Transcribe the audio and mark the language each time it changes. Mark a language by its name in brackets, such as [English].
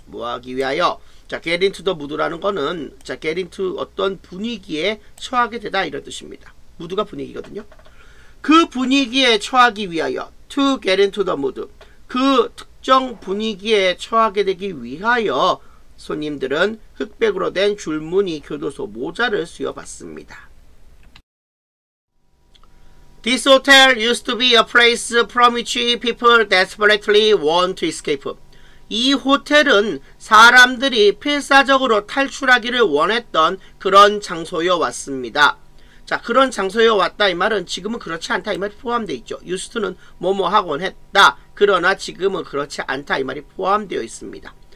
[Korean] 뭐하기 위하여 자, [English] get into the mood [Korean] 라는 거는 자, get into 어떤 분위기에 처하게 되다 이런 뜻입니다. mood가 분위기거든요. 그 분위기에 처하기 위하여 [English] to get into the mood. [Korean] 그 특정 분위기에 처하게 되기 위하여 손님들은 흑백으로 된 줄무늬 교도소 모자를 수여받습니다. [English] This hotel used to be a place from which people desperately want to escape. [Korean] 이 호텔은 사람들이 필사적으로 탈출하기를 원했던 그런 장소여 왔습니다. 자, 그런 장소여 왔다 이 말은 지금은 그렇지 않다 이 말이 포함되어 있죠. used는 뭐뭐 하곤 했다. 그러나 지금은 그렇지 않다 이 말이 포함되어 있습니다.